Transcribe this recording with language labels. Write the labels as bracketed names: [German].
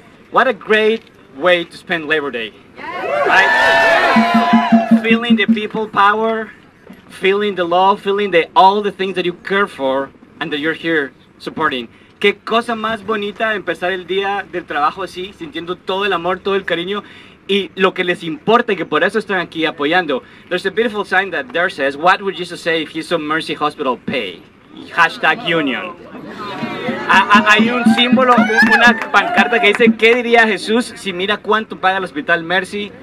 [English] What a great way to spend Labor Day. Right? Feeling the people power, feeling the love, feeling the all the things that you care for and that you're here supporting. [Spanish] Qué cosa más bonita empezar el día del trabajo así, sintiendo todo el amor, todo el cariño y lo que les importa y que por eso están aquí apoyando. [English] There's a beautiful sign that there says, what would Jesus say if he saw Mercy Hospital pay? Hashtag union. [Spanish] Hay un símbolo, una pancarta que dice, ¿qué diría Jesús si mira cuánto paga el hospital Mercy?